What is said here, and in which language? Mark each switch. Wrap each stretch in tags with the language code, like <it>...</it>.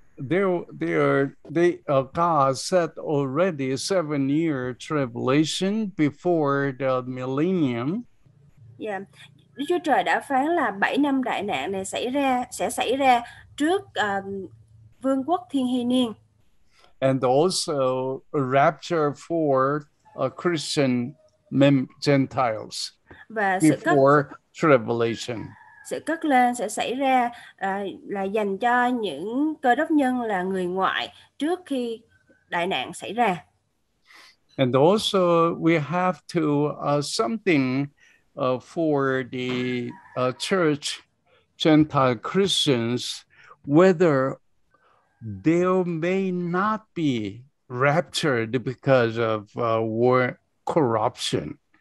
<en>There God set already 7 year tribulation before the millennium. Yeah.</en> <vi>Đức Chúa Trời đã phán là 7 năm đại nạn này sẽ xảy ra trước vương quốc thiên hy niên.</vi> <en>And also rapture for a Christian Gentiles</en> <vi>và</vi> <en>before tribulation.</en> <vi>Sự cất lên sẽ xảy ra là dành cho những cơ đốc nhân là người ngoại trước khi đại nạn xảy ra.</vi> <en>And also we have to something for the church Gentile Christians, whether they may not be raptured because of war corruption.</en>